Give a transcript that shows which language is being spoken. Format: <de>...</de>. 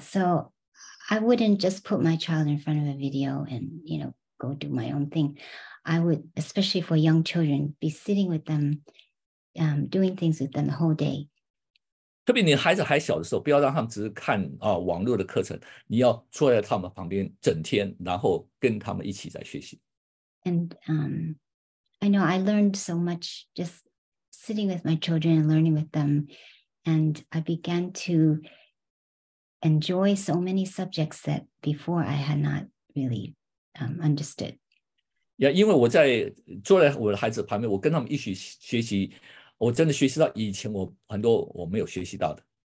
<en>so I wouldn't just put my child in front of a video and, you know, go do my own thing. I would, especially for young children, be sitting with them, doing things with them the whole day.</en> <zh>特别你孩子还小的时候，不要让他们只是看啊网络的课程，你要坐在他们旁边整天，然后跟他们一起在学习。</zh> <en>And I know I learned so much just sitting with my children and learning with them. And I began to enjoy so many subjects that before I had not really understood.</en> <zh>Yeah, 因为我在坐在我的孩子旁边，我跟他们一起学习，我真的学习到以前我很多我没有学习到的。</zh>